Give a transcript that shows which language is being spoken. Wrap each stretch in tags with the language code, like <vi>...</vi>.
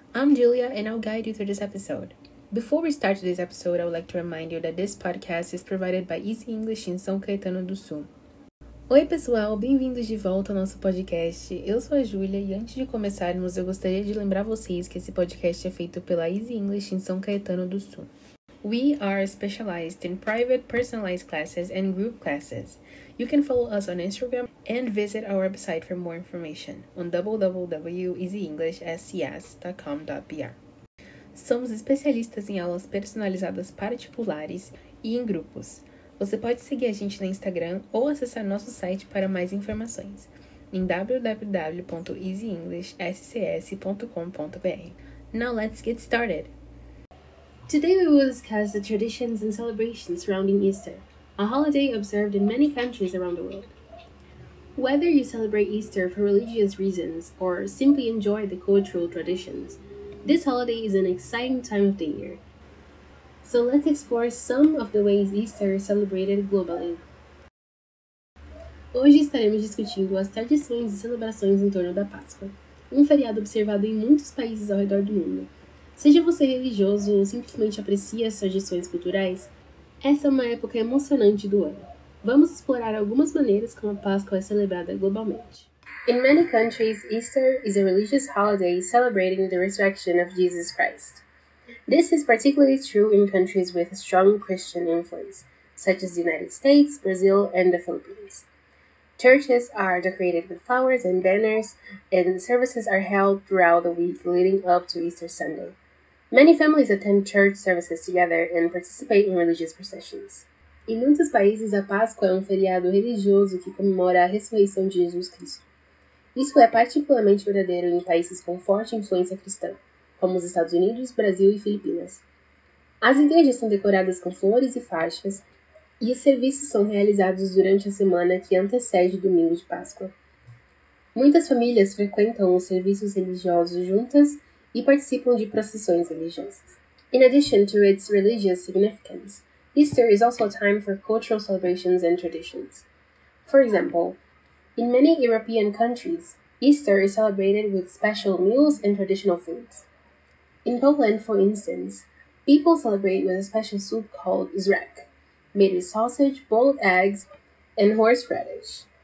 <en>I'm Julia and I'll guide you through this episode. Before we start today's episode, I would like to remind you that this podcast is provided by Easy English in São Caetano do Sul.</en> <pt>Oi pessoal, bem-vindos de volta ao nosso podcast. Eu sou a Julia e antes de começarmos, eu gostaria de lembrar vocês que esse podcast é feito pela Easy English in São Caetano do Sul.</pt> <en>We are specialized in private personalized classes and group classes. You can follow us on Instagram and visit our website for more information on www.easyenglishscs.com.br.</en> <pt>Somos especialistas em aulas personalizadas particulares e em grupos. Você pode seguir a gente no Instagram ou acessar nosso site para mais informações em www.easyenglishscs.com.br.</pt> <en>Now let's get started! Today we will discuss the traditions and celebrations surrounding Easter, a holiday observed in many countries around the world. Whether you celebrate Easter for religious reasons or simply enjoy the cultural traditions, this holiday is an exciting time of the year. So let's explore some of the ways Easter is celebrated globally.</en> <pt>Hoje estaremos discutindo as tradições e celebrações em torno da Páscoa, feriado observado em muitos países ao redor do mundo. Seja você religioso ou simplesmente aprecia as tradições culturais, essa é uma época emocionante do ano. Vamos explorar algumas maneiras como a Páscoa é celebrada globalmente.</pt> <en>In many countries, Easter is a religious holiday celebrating the resurrection of Jesus Christ. This is particularly true in countries with a strong Christian influence, such as the United States, Brazil, and the Philippines. Churches are decorated with flowers and banners, and services are held throughout the week leading up to Easter Sunday. Many families attend church services together and participate in religious processions.</en> <pt>Em muitos países, a Páscoa é feriado religioso que comemora a ressurreição de Jesus Cristo. Isso é particularmente verdadeiro em países com forte influência cristã, como os Estados Unidos, Brasil e Filipinas. As igrejas são decoradas com flores e faixas, e os serviços são realizados durante a semana que antecede o domingo de Páscoa. Muitas famílias frequentam os serviços religiosos juntas e participam de procissões religiosas.</pt> <en>In addition to its religious significance, Easter is also a time for cultural celebrations and traditions. For example, in many European countries, Easter is celebrated with special meals and traditional foods. In Poland, for instance, people celebrate with a special soup called zrek, made with sausage, boiled eggs, and horseradish.</en>